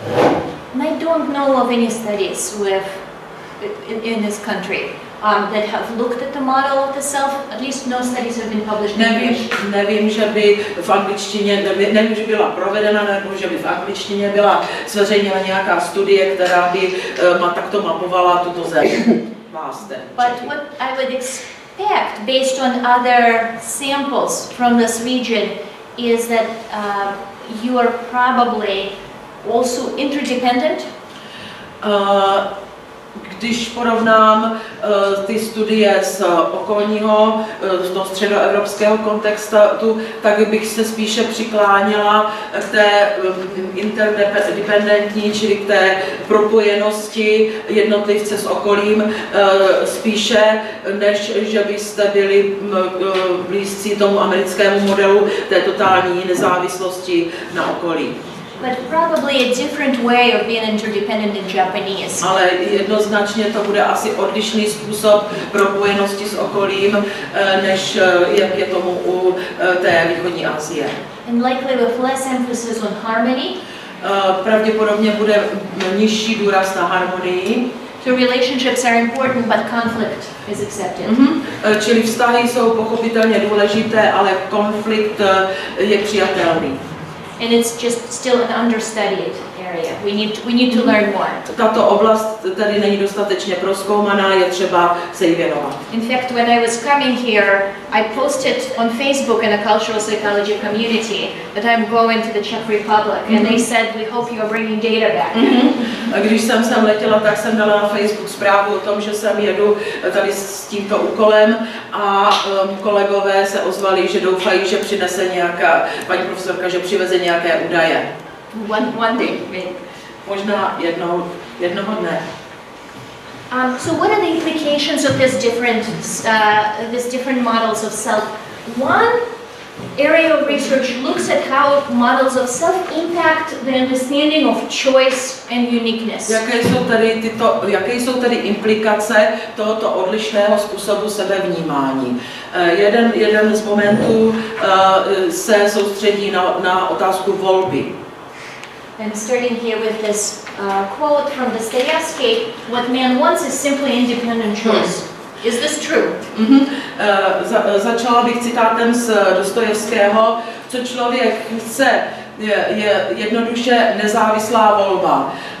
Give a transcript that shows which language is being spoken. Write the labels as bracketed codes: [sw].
[en] I don't know of any studies in this country. That have looked at the model of the self, at least no studies have been published in English. [cs] Nevím, že by v angličtině, nevím, že byla provedena, nebo že by v angličtině byla zveřejněna nějaká studie, která by takto mapovala tuto zem. [en] But what I would expect, based on other samples from this region, is that you are probably also interdependent. [cs] Když porovnám ty studie z okolního, z toho středoevropského kontextu, tak bych se spíše přikláněla k té interdependentní, čili k té propojenosti jednotlivce s okolím, spíše než že byste byli blízcí tomu americkému modelu té totální nezávislosti na okolí. [en] But probably a different way of being interdependent in Japanese. [cs] Ale jednoznačně to bude asi odlišný způsob propojenosti s okolím, než jak je tomu u té východní Asie. [en] And likely with less emphasis on harmony. [cs] pravděpodobně bude nižší důraz na harmonii. [en] The relationships are important, but conflict is accepted. Mm-hmm. [cs] Čili vztahy jsou pochopitelně důležité, ale konflikt je přijatelný. [en] And it's just still an understudied area. We need to mm-hmm. learn more. [cs] Tato oblast tady není dostatečně prozkoumaná, je třeba se jí věnovat. [en] In fact, when I was coming here, I posted on Facebook in a cultural psychology community that I'm going to the Czech Republic, mm-hmm. and they said, "We hope you are bringing data back." Mm-hmm. [cs] A když jsem sem letěla, tak jsem dala na Facebook zprávu o tom, že sem jedu tady s tímto úkolem a kolegové se ozvali, že doufají, že přinese nějaká, paní profesorka, že přiveze nějaké údaje. [en] One day, maybe. [cs] Možná jednoho dne. [en] So what are the implications of these different models of self? One area of research looks at how models of self impact the understanding of choice and uniqueness. [cs] Jaké jsou tady implikace tohoto odlišného způsobu sebevnímání? Jeden z momentů se soustředí na otázku volby. [en] And starting here with this quote from Dostojevský, what man wants is simply independent choice. Is this true? Mm-hmm. [cs] Začala bych citátem z Dostojevského, co člověk chce, je jednoduše nezávislá volba.